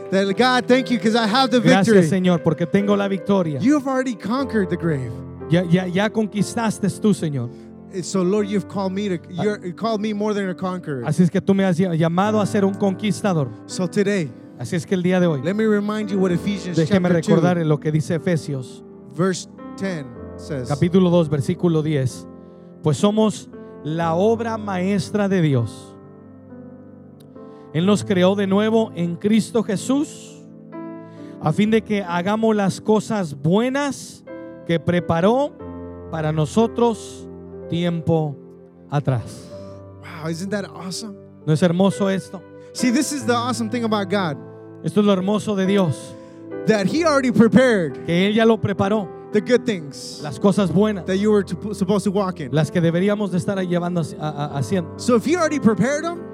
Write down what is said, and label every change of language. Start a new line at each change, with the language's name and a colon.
English: That God, thank you because I have the
Spanish: gracias, Gracias, Señor, porque tengo la victoria.
English: You have already conquered the grave.
Spanish: Ya conquistaste tú, Señor.
English: So Lord, you've called me you called me more than a conqueror.
Spanish: Así es que tú me has llamado a ser un conquistador.
English: So today.
Spanish: Así es que el día de hoy.
English: Let me remind you what Ephesians chapter 2.
Spanish: Déjeme recordar lo que dice Efesios.
English: Verse 10. Says,
Spanish: capítulo 2, versículo 10. Pues somos la obra maestra de Dios. Él nos creó de nuevo en Cristo Jesús a fin de que hagamos las cosas buenas que preparó para nosotros tiempo atrás.
English: Wow, isn't that awesome?
Spanish: ¿No es hermoso esto?
English: See, this is the awesome thing about God.
Spanish: Esto es lo hermoso de Dios.
English: That he already prepared.
Spanish: Que él ya lo preparó.
English: The good things,
Spanish: las cosas buenas,
English: that you were supposed to walk in,
Spanish: las que deberíamos de estar llevando haciendo.
English: So if you already prepared them,